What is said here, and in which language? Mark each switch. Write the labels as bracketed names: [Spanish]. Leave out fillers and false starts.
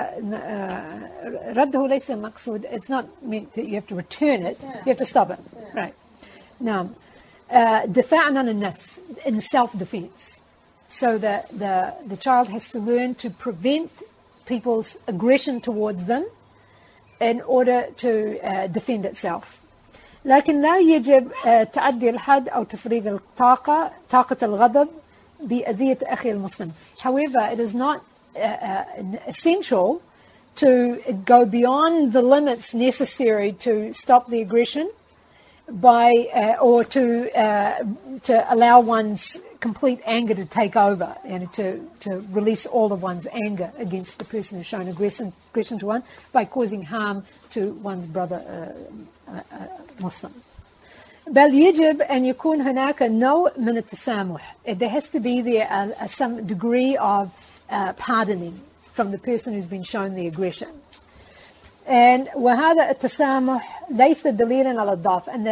[Arabic] Raddahu laysa maqsood, [English] it's not meant that you have to return it, yeah. You have to stop it. Yeah. Right. Now, difa'an al-nafs, in self-defense. So the child has to learn to prevent people's aggression towards them in order to defend itself. [Arabic] لكن لا يجب تعدي الحد أو تفريغ الطاقة طاقة الغضب بأذية أخي المسلم. [English] However, it is not essential to go beyond the limits necessary to stop the aggression by or to allow one's complete anger to take over and to release all of one's anger against the person who's shown aggression to one by causing harm to one's brother Muslim. [Arabic] بل يجب أن يكون هناك نوع من التسامح. [English] There has to be some degree of pardoning from the person who's been shown the aggression. [Arabic] And وهذا التسامح ليس دليلا على الضعف.